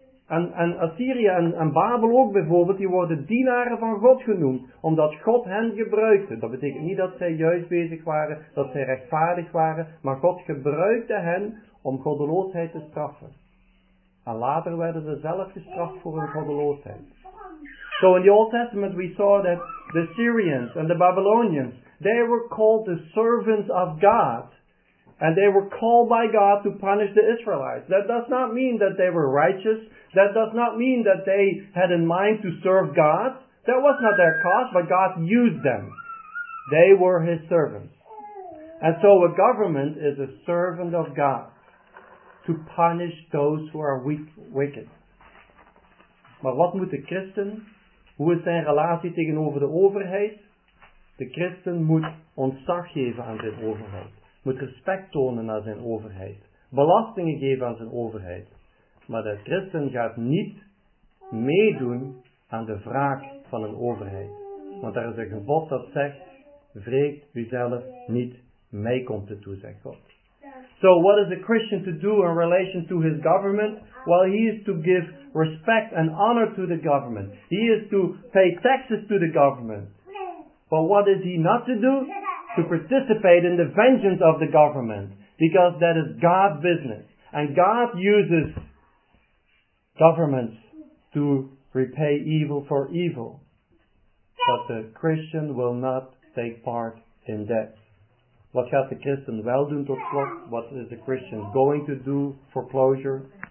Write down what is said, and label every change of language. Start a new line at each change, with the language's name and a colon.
Dutch: En Assyrië en Babel ook bijvoorbeeld, die worden dienaren van God genoemd, omdat God hen gebruikte. Dat betekent niet dat zij juist bezig waren, dat zij rechtvaardig waren, maar God gebruikte hen om goddeloosheid te straffen. En later werden ze zelf gestraft voor hun goddeloosheid.
English: So in the Old Testament we saw that the Syrians and the Babylonians, they were called the servants of God. And they were called by God to punish the Israelites. That does not mean that they were righteous. That does not mean that they had in mind to serve God. That was not their cause, but God used them. They were his servants. And so a government is a servant of God to punish those who are weak, wicked.
Dutch: Maar wat moet de christen? Hoe is zijn relatie tegenover de overheid? De christen moet ontzag geven aan zijn overheid. Moet respect tonen naar zijn overheid. Belastingen geven aan zijn overheid. Maar de christen gaat niet meedoen aan de wraak van een overheid. Want daar is een gebod dat zegt, wreek u zelf niet, mij komt het toe, zegt God.
English: So what is a Christian to do in relation to his government? Well, he is to give respect and honor to the government. He is to pay taxes to the government. But what is he not to do? To participate in the vengeance of the government. Because that is God's business. And God uses governments to repay evil for evil. But the Christian will not take part in that.
Dutch: Wat gaat de christen wel doen tot slot?
English: What is the Christian going to do for closure?